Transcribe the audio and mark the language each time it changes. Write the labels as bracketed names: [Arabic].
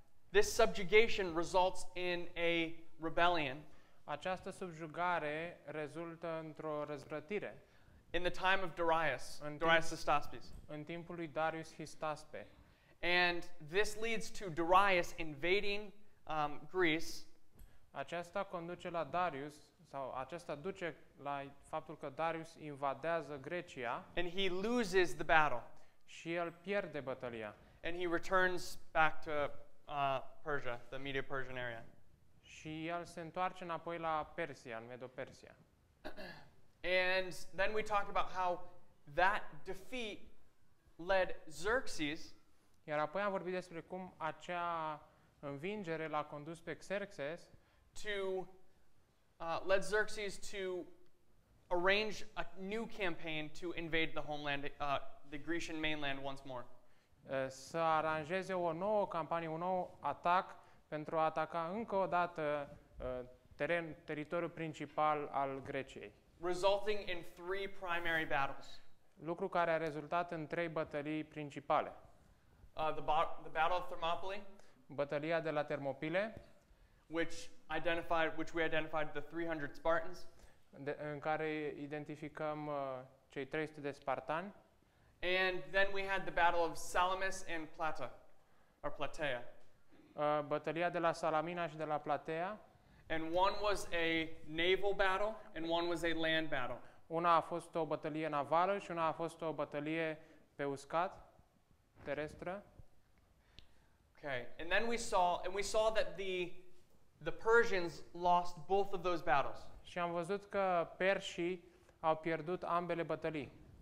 [English] This subjugation results in a rebellion. [Romanian] Această subjugare rezultă într-o răzvrătire. [English] In the time of Darius, Darius Hystaspes. [Romanian] În timpul lui Darius Hystaspe. [English] And this leads to Darius invading Greece. [Romanian] Aceasta conduce la Darius, sau aceasta duce la faptul că Darius invadează Grecia. [English] And he loses the battle. [Romanian] Și el pierde bătălia. [English] And he returns back to Persia, the Medo-Persian area. [Romanian] Și el se întoarce înapoi la Persia, în Medo-Persia. [English] And then we talked about how that defeat led Xerxes. [Romanian] Iar apoi am vorbit despre cum acea învingere l-a condus pe Xerxes [English] led Xerxes to arrange a new campaign to invade the homeland, the Grecian mainland once more. [Romanian] Să aranjeze o nouă campanie, un nou atac pentru a ataca încă o dată teren, teritoriul principal al Greciei. [English] Resulting in three primary battles. [Romanian] Lucru care a rezultat în trei bătălii principale. [English] The battle of Thermopylae. [Romanian] Bătălia de la Termopile. [English] Which we identified the 300 Spartans. [Romanian] În care identificăm cei 300 de spartani. [English] And then we had the battle of Salamis and Plata, or Plataea. [Romanian] Bătălia de la Salamina și de la Plataea. [English] And one was a naval battle and one was a land battle. [Romanian] Una a fost o bătălie navală și una a fost o bătălie pe uscat, terestră. [English] Okay. And then we saw that the Persians lost both of those battles. [Romanian] Și am văzut că perșii au pierdut ambele bătălii.